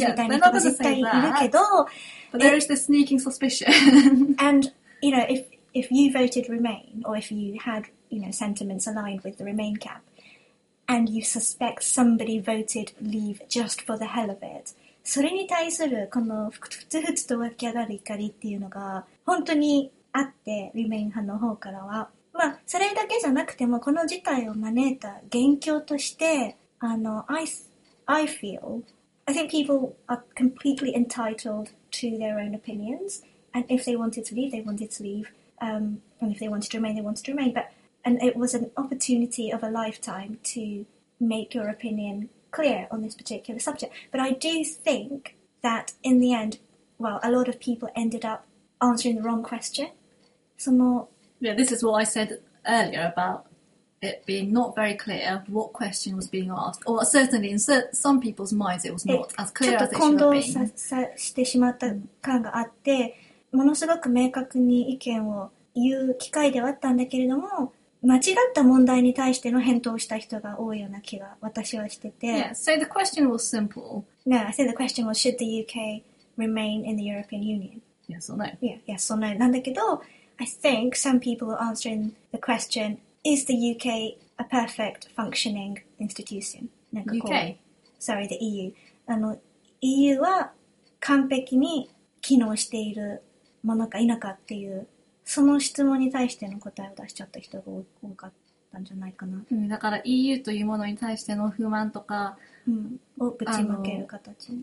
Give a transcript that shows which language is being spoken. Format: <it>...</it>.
<en>Yeah, they're not gonna say that. But there is this sneaking suspicion. And, you know, if you voted remain, or if you had, you know, sentiments aligned with the remain camp, and you suspect somebody voted leave just for the hell of it.</en> <ja>それに対するこのふつふつと湧き上がる怒りっていうのが本当にあって、Remain 派の方からは。まあ、それだけじゃなくても、この事態を招いた元凶として、</ja> <en>I feel, I think people are completely entitled to their own opinions, and if they wanted to leave, they wanted to leave, and if they wanted to remain, they wanted to remain, but, and it was an opportunity of a lifetime to make your opinion clear on this particular subject. But I do think that in the end, well, a lot of people ended up answering the wrong question. Yeah, this is what I said earlier about it being not very clear what question was being asked. Or certainly in some people's minds it was not as clear as it should have been.</en> <ja>ちょっと混同してしまった感があって、ものすごく明確に意見を言う機会ではあったんだけれども、間違った問題に対しての返答をした人が多いような気が私はしてて。</ja> <en>Yeah, so the question was simple. No, I think the question was should the UK remain in the European Union? Yes or no? Yeah, yes or no.</en> <ja>なんだけど、</ja> <en>I think some people are answering the question, is the UK a perfect functioning institution? UK? Sorry, the EU.</en> <ja>EU は完璧に機能しているものか否かっていう、その質問に対しての答えを出しちゃった人が多かったんじゃないかな。うん、だから EU というものに対しての不満とか、うん、をぶちまける形に。</ja>